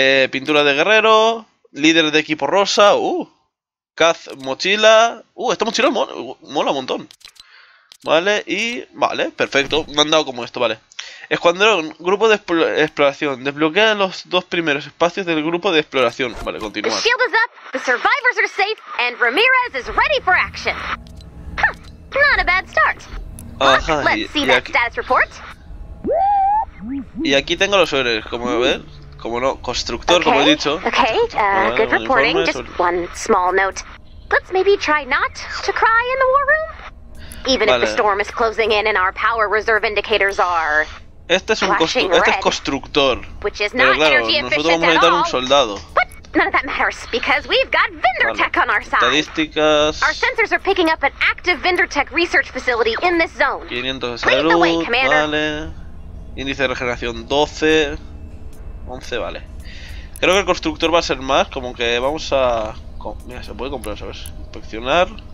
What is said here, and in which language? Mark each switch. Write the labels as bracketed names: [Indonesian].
[Spanish] Pintura de guerrero. Líder de equipo rosa. Caz mochila. Esta mochila mola un montón. Vale, y. Vale, perfecto. Mandado como esto, vale. Escuadrón, grupo de exploración. Desbloquea los dos primeros espacios del grupo de exploración. Vale, continuar. [English] The shield is up, the survivors are safe, and Ramirez is ready for action. Not a bad start. Ajá, let's see that status report. [Spanish] Y aquí tengo los héroes, como a ver, como no, constructor, okay, como he dicho. [English] Okay, good reporting. Just one small note. Let's maybe try not to cry in the war room. Even [Spanish] vale. [English] If the storm is closing in and our power reserve indicators are. [Spanish] Este es un constructor. [English] Which is not [Spanish] claro, [English] energy efficient [Spanish] nosotros vamos a necesitar un soldado. [English] But none of that matters because we've got vendor [Spanish] vale. [English] Tech on our side. [Spanish] Estadísticas. [English] Our sensors are picking up an active vendor tech research facility in this zone. [Spanish] 500 de salud, vale. Índice de regeneración 12. 11, vale. Creo que el constructor va a ser más. Como que vamos a. Mira, se puede comprar, ¿sabes? Inspeccionar.